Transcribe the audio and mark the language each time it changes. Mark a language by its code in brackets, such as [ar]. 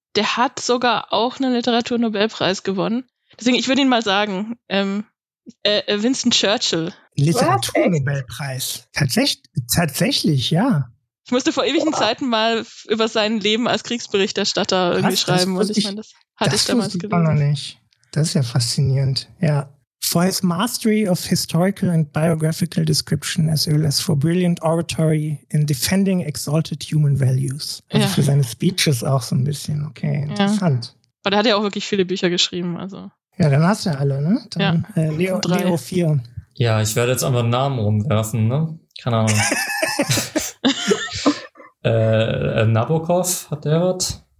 [de] der hat sogar auch einen Literaturnobelpreis gewonnen. Deswegen, ich würde ihn mal sagen, Winston Churchill. Literaturnobelpreis? Tatsächlich, ja. Ich musste vor ewigen Zeiten mal über sein Leben als Kriegsberichterstatter irgendwie schreiben. Und ich meine, das hatte ich damals gelesen. Das ist ja faszinierend, ja. [en] For his mastery of historical and biographical description as well as for brilliant oratory in defending exalted human values. [de] Also ja. Für seine Speeches auch so ein bisschen, okay, interessant. Ja. Aber der hat ja auch wirklich viele Bücher geschrieben, also. Ja, dann hast du ja alle, ne? Dann, ja. Leo 4. Ja, ich werde jetzt einfach Namen rumwerfen, ne? Keine Ahnung. Nabokov, hat der was?